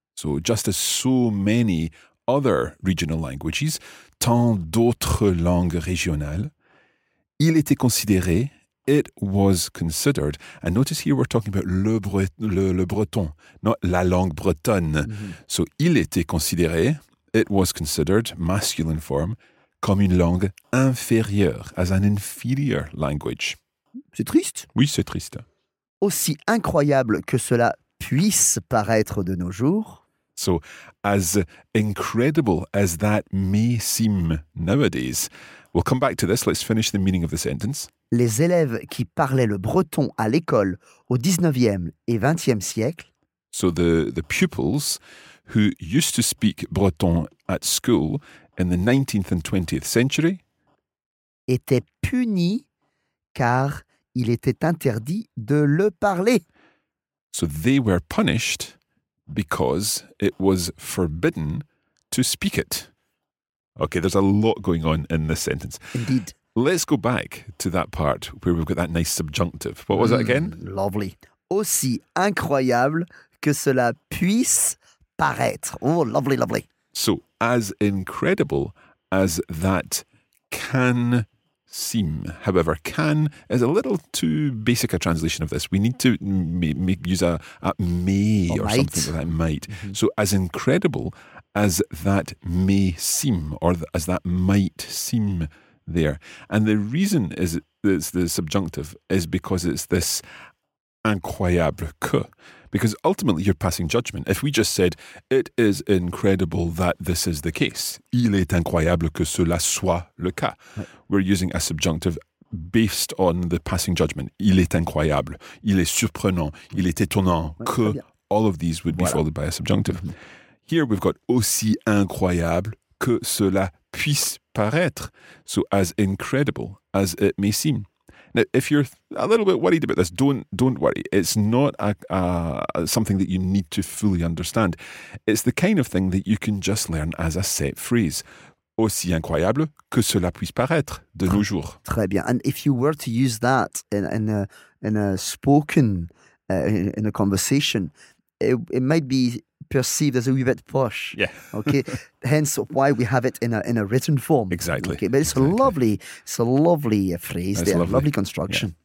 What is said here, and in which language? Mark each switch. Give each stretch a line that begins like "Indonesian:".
English: So just as so many other regional languages,
French: tant d'autres langues régionales,
English: it was considered, and notice here we're talking about le breton, not
French: la langue bretonne.
English: Mm-hmm. So it was considered, masculine form,
French: comme une langue inférieure,
English: as an inferior language.
French: C'est triste. Oui, c'est triste. Aussi incroyable que cela puisse paraître de nos jours...
English: So, as incredible as that may seem nowadays, we'll come back to this. Let's finish the meaning of the sentence.
French: Les élèves qui parlaient le breton à l'école au 19e et 20e siècle.
English: So, the pupils who used to speak breton at school in the 19th and 20th century.
French: Étaient punis car il était interdit de le parler.
English: So, they were punished. Because it was forbidden to speak it. Okay, there's a lot going on in this sentence. Indeed. Let's go back to that part where we've got that nice subjunctive. What was that again? Lovely.
French: Aussi incroyable que cela puisse paraître.
English: Oh, lovely, lovely. So, as incredible as that can seem. However, can is a little too basic a translation of this. We need to use a may or something like that. Might. Mm-hmm. So as incredible as that may seem or as that might seem there. And the reason is it's the subjunctive is because it's this
French: incroyable que.
English: Because ultimately you're passing judgment. If we just said, it is incredible that this is the case.
French: Il est incroyable que cela soit le cas.
English: Right. We're using a subjunctive based on the passing judgment.
French: Il est incroyable. Il est surprenant. Il est étonnant. Ouais, que.
English: All of these would be followed by a subjunctive. Mm-hmm. Here we've got
French: aussi incroyable que cela puisse paraître.
English: So as incredible as it may seem. Now, if you're a little bit worried about this, don't worry. It's not something that you need to fully understand. It's the kind of thing that you can just learn as a set phrase.
French: Aussi incroyable que cela puisse paraître de nos jours. Très bien.
English: And if you were to use that in a spoken, in a conversation, it might be perceived as a wee bit posh. Yeah. Okay. Hence why we have it in a written form. Exactly. Okay. But it's exactly. a lovely phrase. That's there. Lovely construction.